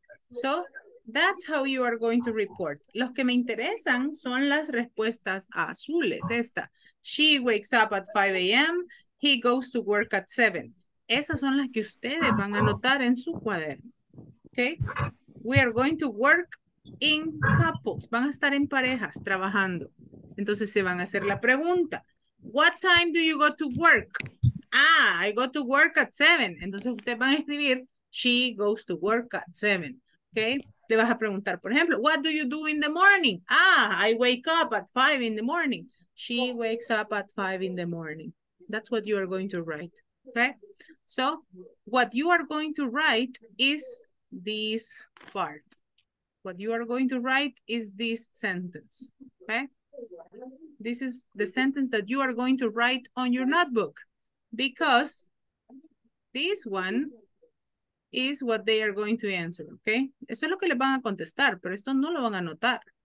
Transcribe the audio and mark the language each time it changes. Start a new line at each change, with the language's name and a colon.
English: So that's how you are going to report.
Spanish: Los que me interesan son las respuestas azules. Esta.
English: She wakes up at 5 a.m. He goes to work at 7.
Spanish: Esas son las que ustedes van a anotar en su cuaderno.
English: Okay? We are going to work in couples.
Spanish: Van a estar en parejas trabajando. Entonces se van a hacer la pregunta.
English: What time do you go to work? Ah, I go to work at 7.
Spanish: Entonces ustedes van a escribir,
English: she goes to work at 7. Okay?
Spanish: Le vas a preguntar, por ejemplo,
English: what do you do in the morning? Ah, I wake up at 5 in the morning. She wakes up at 5 in the morning. That's what you are going to write. Okay? So, what you are going to write is this part. What you are going to write is this sentence. Okay? This is the sentence that you are going to write on your notebook, because this one is what they are going to answer, okay?
Spanish: Eso es lo que les van a contestar, pero esto no lo van a anotar.